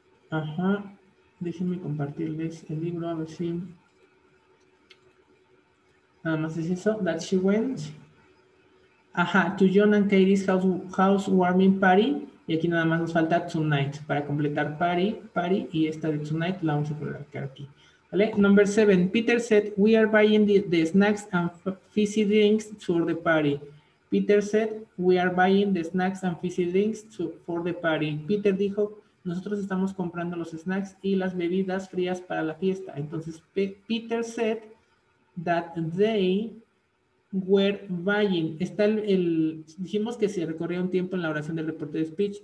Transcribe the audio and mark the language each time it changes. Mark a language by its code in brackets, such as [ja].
[es] Ajá. Déjenme compartirles el libro a ver si. Nada más es eso. [en] That she went. [es] Ajá. [en] To John and Katie's housewarming party. [es] Y aquí nada más nos falta [en] tonight. [es] Para completar party. Y esta de tonight la vamos a colocar aquí. [en] ¿Vale? Number seven. Peter said, we are buying the snacks and fizzy drinks for the party. Peter said, we are buying the snacks and fizzy drinks for the party. [es] Peter dijo, nosotros estamos comprando los snacks y las bebidas frías para la fiesta. [en] Entonces, Peter said that they were buying. [es] Está dijimos que se recorría un tiempo en la oración del reporte de speech.